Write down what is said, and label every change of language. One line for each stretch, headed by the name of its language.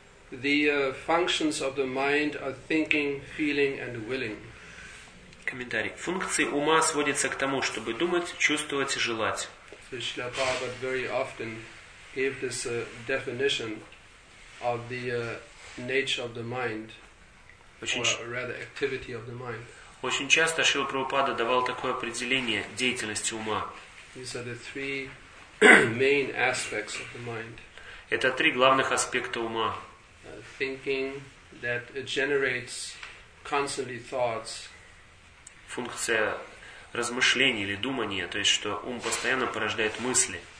English: The functions of the mind are thinking, feeling and willing.
Russian: Комментарий. Функции ума сводятся к тому, чтобы думать, чувствовать и желать.
English: So Srila Prabhupada very often gave this definition of the nature of the mind or rather activity of the mind.
Russian: Очень часто Шрила Прабхупада давал такое определение деятельности ума.
English: These are the three main aspects of the mind.
Russian: Это три главных аспекта ума.
English: Thinking that it generates constantly thoughts.
Russian: Функция размышления или думания, то есть что ум постоянно порождает мысли.